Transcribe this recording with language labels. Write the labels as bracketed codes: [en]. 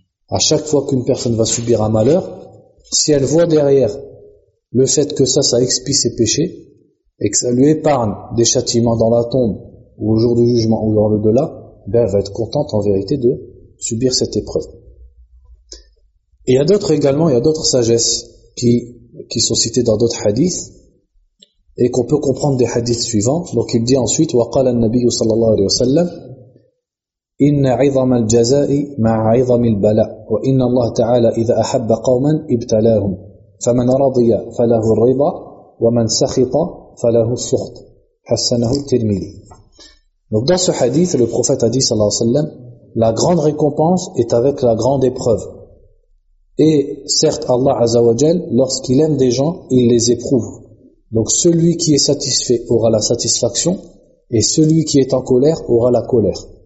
[fr] À chaque fois qu'une personne va subir un malheur, si elle voit derrière le fait que ça expie ses péchés, et que ça lui épargne des châtiments dans la tombe, ou au jour du jugement, ou dans l'au-delà, ben elle va être contente en vérité de subir cette épreuve. Et il y a d'autres sagesses qui sont citées dans d'autres hadiths, et qu'on peut comprendre des hadiths suivants. Donc il dit ensuite, [ar] وَقَالَ النَّبِيُّ صَلَّى اللَّهُ عَلَيْهِ وَسَلَّمْ إِنَّ عِظَمَ الْجَزَاءِ مَعَ عِظَمِ الْبَلَاءِ وَإِنَّ اللَّهَ تَعَالَى إِذَا أَحَبَّ قَوْمًا إِبْتَلَاهُمْ فَمَنْ رَضِيَ فَلَهُ الرِّضَى وَمَنْ سَخِطَ فَلَهُ السُّخْطَ حَسَّنَهُ التِّرْمِذِي. [fr] Donc dans ce hadith, le prophète a dit [ar] صلى الله عليه وسلم, [fr] la grande récompense est avec la grande épreuve. Et certes, Allah Azza wa Jal, lorsqu'il aime des gens, il les éprouve. Donc celui qui est satisfait aura la satisfaction, et celui qui est en colère aura la colère.